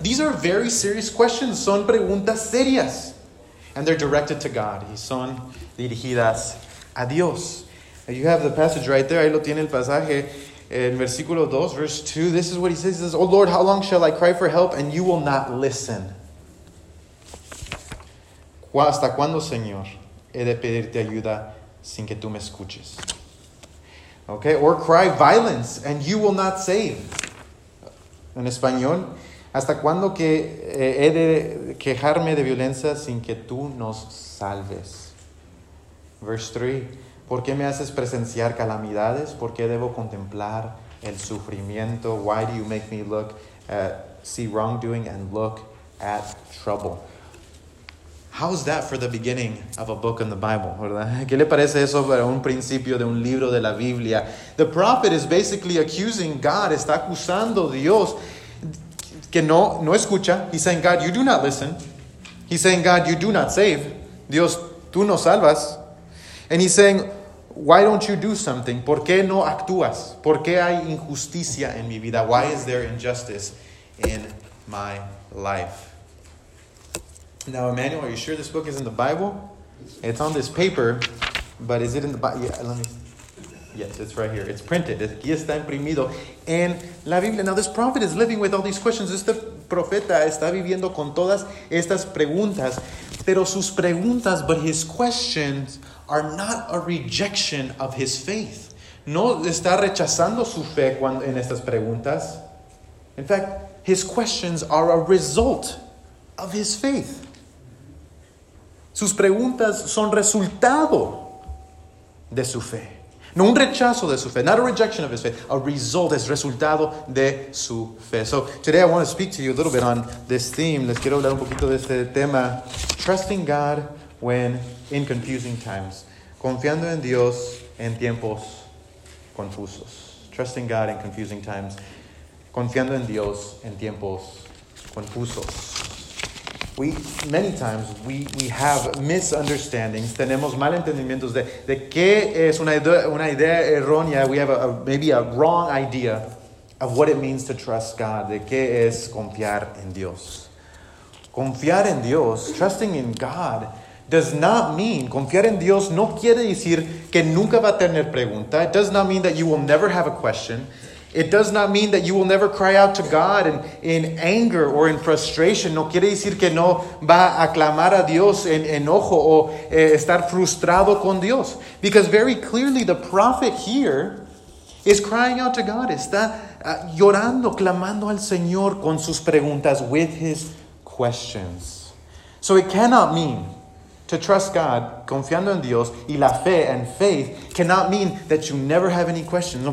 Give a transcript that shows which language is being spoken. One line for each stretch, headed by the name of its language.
English: These are very serious questions.
Spanish: Son preguntas serias.
English: And they're directed to God.
Spanish: Y son dirigidas a Dios.
English: You have the passage right there.
Spanish: Ahí lo tiene el pasaje.
English: In versículo 2, verse 2, this is what he says. He says, O Lord, how long shall I cry for help and you will not listen?
Spanish: ¿Hasta cuándo, Señor, he de pedirte ayuda sin que tú me escuches?
English: Okay, or cry violence and you will not save.
Spanish: En español, ¿hasta cuándo que he de quejarme de violencia sin que tú nos salves?
English: Verse 3,
Spanish: ¿por qué me haces presenciar calamidades? ¿Por qué debo contemplar el sufrimiento?
English: Why do you make me look at, see wrongdoing and look at trouble? How's that for the beginning of a book in the Bible, ¿verdad?
Spanish: ¿Qué le parece eso para un principio de un libro de la Biblia?
English: The prophet is basically accusing God,
Spanish: está acusando a Dios, que no escucha.
English: He's saying, God, you do not listen. He's saying, God, you do not save.
Spanish: Dios, tú no salvas.
English: And he's saying, why don't you do something?
Spanish: ¿Por qué no actúas? ¿Por qué hay injusticia en mi vida?
English: Why is there injustice in my life? Now, Emmanuel, are you sure this book is in the Bible? It's on this paper, but is it in the Bible? Yeah, let me see. Yes, it's right here. It's printed.
Spanish: Aquí está imprimido.
English: And la Biblia. Now, this prophet is living with all these questions.
Spanish: Este profeta está viviendo con todas estas preguntas. Pero sus preguntas,
English: but his questions are not a rejection of his faith.
Spanish: No está rechazando su fe cuando, en estas preguntas.
English: In fact, his questions are a result of his faith.
Spanish: Sus preguntas son resultado de su fe. No un rechazo de su fe.
English: Not a rejection of his faith. A result,
Spanish: es resultado de su fe.
English: So today I want to speak to you a little bit on this theme.
Spanish: Les quiero hablar un poquito de este tema.
English: Trusting God when in confusing times.
Spanish: Confiando en Dios en tiempos confusos.
English: Trusting God in confusing times.
Spanish: Confiando en Dios en tiempos confusos.
English: Many times we have misunderstandings.
Spanish: Tenemos malentendimientos de qué es una idea errónea.
English: We have maybe a wrong idea of what it means to trust God.
Spanish: De qué es confiar en Dios. Confiar en Dios,
English: trusting in God, does not mean,
Spanish: confiar en Dios no quiere decir que nunca va a tener pregunta.
English: It does not mean that you will never have a question. It does not mean that you will never cry out to God in anger or in frustration.
Spanish: No quiere decir que no va a clamar a Dios en enojo o estar frustrado con Dios.
English: Because very clearly the prophet here is crying out to God.
Spanish: Está llorando, clamando al Señor con sus preguntas,
English: with his questions. So it cannot mean to trust God,
Spanish: confiando en Dios, y la fe
English: and faith cannot mean that you never have any questions.